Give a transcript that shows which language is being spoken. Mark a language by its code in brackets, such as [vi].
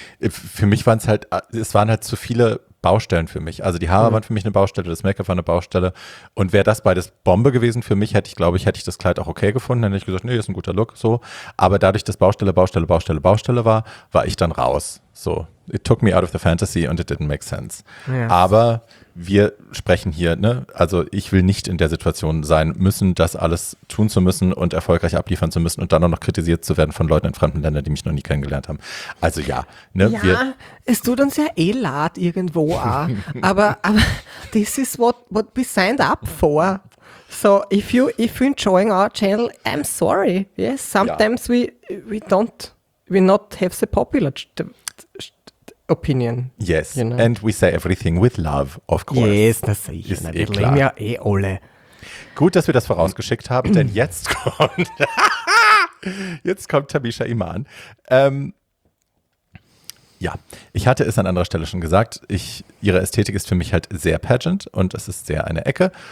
[de] Für mich waren es halt, es waren halt zu viele Baustellen für mich. Also die Haare waren für mich eine Baustelle, das Make-up war eine Baustelle. Und wäre das beides Bombe gewesen für mich, hätte ich das Kleid auch okay gefunden. Dann hätte ich gesagt, nee, ist ein guter Look, so. Aber dadurch, dass Baustelle war ich dann raus. [en] So, it took me out of the fantasy and it didn't make sense. Yes. [de] Aber wir sprechen hier, ne? Also ich will nicht in der Situation sein müssen, das alles tun zu müssen und erfolgreich abliefern zu müssen und dann auch noch kritisiert zu werden von Leuten in fremden Ländern, die mich noch nie kennengelernt haben. Also ja. Ne? Ja, es tut uns ja eh leid irgendwo auch. aber [en] this is what we signed up for. So if you enjoying our channel, I'm sorry. Yes, sometimes we not have the popular opinion. Yes, you know? And we say everything with love, of course. Yes, [de] das sehe ich. Ist eh klar. Wir leben ja eh alle. Gut, dass wir das vorausgeschickt haben, denn jetzt kommt Tamisha Iman. Ja, ich hatte es an anderer Stelle schon gesagt, ihre Ästhetik ist für mich halt sehr pageant und es ist sehr eine Ecke.